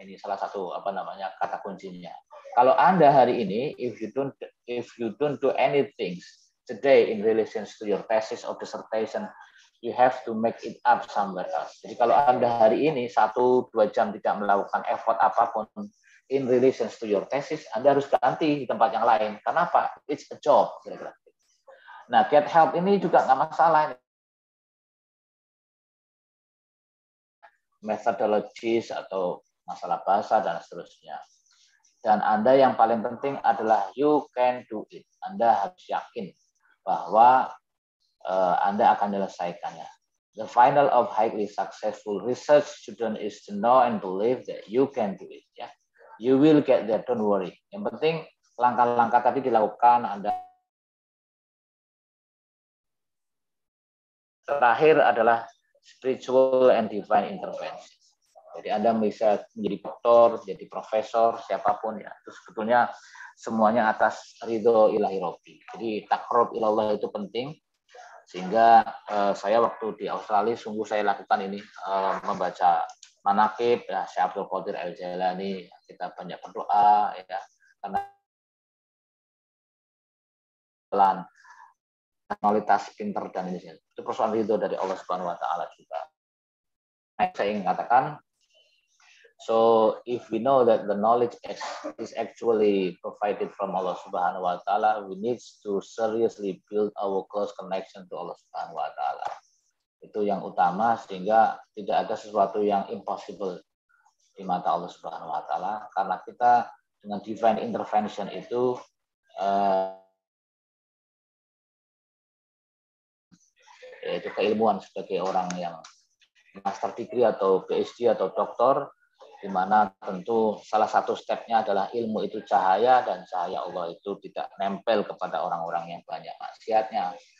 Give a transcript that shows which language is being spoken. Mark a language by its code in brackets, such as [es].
[id] Ini salah satu apa namanya kata kuncinya. Kalau Anda hari ini, [en] if you don't do anything today in relation to your thesis or dissertation, you have to make it up somewhere else. [id] Jadi kalau Anda hari ini 1-2 jam tidak melakukan effort apapun [en] in relation to your thesis, [id] Anda harus ganti di tempat yang lain. Kenapa? [en] It's a job. [id] Kira-kira. Nah, get help ini juga nggak masalah. Methodologies atau masalah bahasa dan seterusnya. Dan Anda yang paling penting adalah [en] you can do it. [id] Anda harus yakin bahwa Anda akan menyelesaikannya. [en] The final of highly successful research student is to know and believe that you can do it. Yeah. You will get there, don't worry. [id] Yang penting langkah-langkah tadi dilakukan, Anda. Terakhir adalah [en] spiritual and divine intervention. [id] Jadi Anda bisa menjadi doktor, jadi profesor, siapapun ya. Itu sebetulnya semuanya atas ridho ilahi robbi. Jadi takrob ilallah itu penting. Sehingga saya waktu di Australia sungguh saya lakukan ini, membaca manaqib, ya, Syekh Abdul Qadir Al-Jailani, kita banyak berdoa, ya, karena kualitas pinter dan ini itu persoalan ridho dari Allah Subhanahu Wa Taala juga. Saya ingin katakan, [en] so if we know that the knowledge is actually provided from Allah Subhanahu Wa Taala, we need to seriously build our close connection to Allah Subhanahu Wa Taala. [id] Itu yang utama sehingga tidak ada sesuatu yang impossible di mata Allah Subhanahu Wa Taala, karena kita dengan divine intervention itu yaitu keilmuan sebagai orang yang master degree atau PhD atau doktor, di mana tentu salah satu step-nya adalah ilmu itu cahaya, dan cahaya Allah itu tidak nempel kepada orang-orang yang banyak maksiatnya.